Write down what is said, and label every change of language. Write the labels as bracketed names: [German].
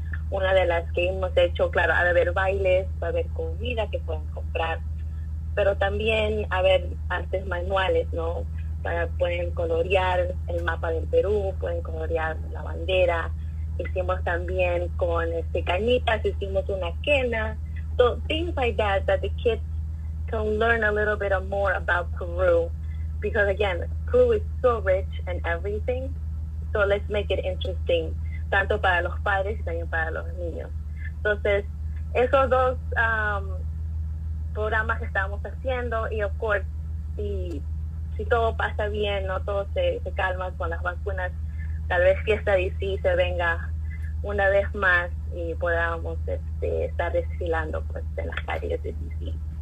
[Spanish] Una de las que hemos hecho, claro, va a haber bailes, va a haber comida que puedan comprar, pero también va a haber artes manuales, ¿no? Pueden colorear el mapa del Perú, pueden colorear la bandera, hicimos también con cañitas, hicimos una quena. [English] So things like that, that the kids can learn a little bit more about Peru. Because again, Peru is so rich in everything. So let's make it interesting, [Spanish] tanto para los padres y también para los niños. Entonces, esos dos programas que estamos haciendo, y [English] of course, [Spanish] si todo pasa bien, no todo se calma con las vacunas, tal vez Fiesta DC se venga una vez más y podamos estar desfilando pues en las calles de DC.